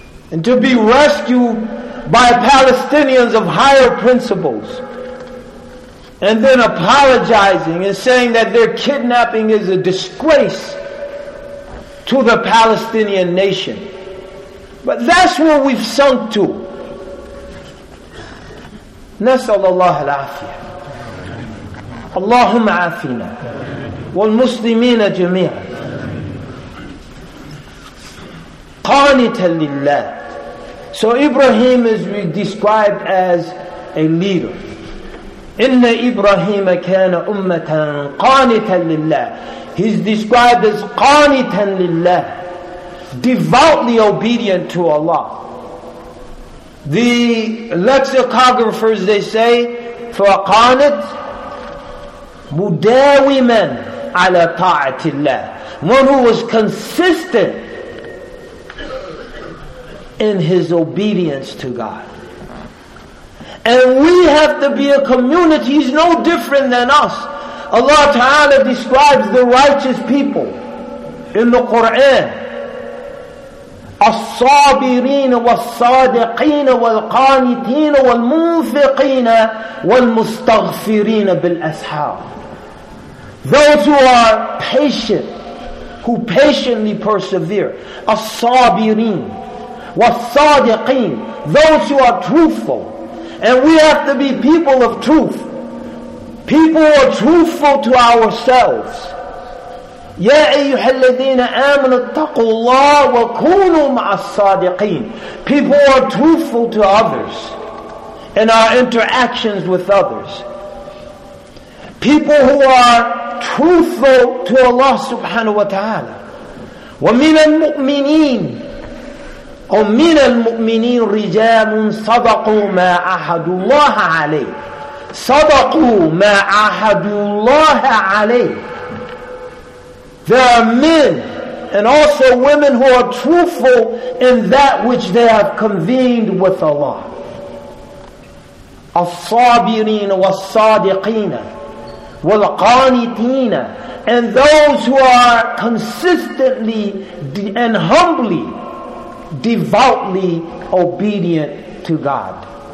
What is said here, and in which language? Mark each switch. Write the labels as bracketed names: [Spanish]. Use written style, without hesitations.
[English] And to be rescued by Palestinians of higher principles, and then apologizing and saying that their kidnapping is a disgrace to the Palestinian nation. But that's where we've sunk to. [Arabic] نسأل الله العافية. اللهم عافينا والمسلمين جميعا. قانتا لله. [English] So Ibrahim is described as a leader. [Arabic] إِنَّ إِبْرَهِيمَ كَانَ أُمَّةً قَانِتًا لِلَّهِ. [English] He's described as [Arabic] قَانِتًا لِلَّهِ, [English] devoutly obedient to Allah. The lexicographers, they say, [Arabic] فَقَانِتْ مُدَاوِمًا عَلَى طَاعَةِ اللَّهِ. [English] One who was consistent in his obedience to God. And we have to be a community. He's no different than us. Allah Ta'ala describes the righteous people in the Quran. [Arabic] الصابرين والصادقين والقانتين والمنفقين والمستغفرين بالأسحار. [English] Those who are patient, who patiently persevere. [Arabic] الصابرين والصادقين. [English] Those who are truthful. And we have to be people of truth. People who are truthful to ourselves. [Arabic] يَا أَيُّهَا الَّذِينَ آمَنُوا اتَّقُوا اللَّهَ وَكُونُوا مَعَ الصَّادِقِينَ. [English] People who are truthful to others in our interactions with others. People who are truthful to Allah subhanahu wa ta'ala. [Arabic] وَمِنَ الْمُؤْمِنِينَ ومن المؤمنين رجال صدقوا ما عهد الله عليه صدقوا ما عهد الله عليه. [English] There are men and also women who are truthful in that which they have convened with Allah. [Arabic] الصابرين والصادقين والقانتين, [English] and those who are consistently and humbly, devoutly obedient to God.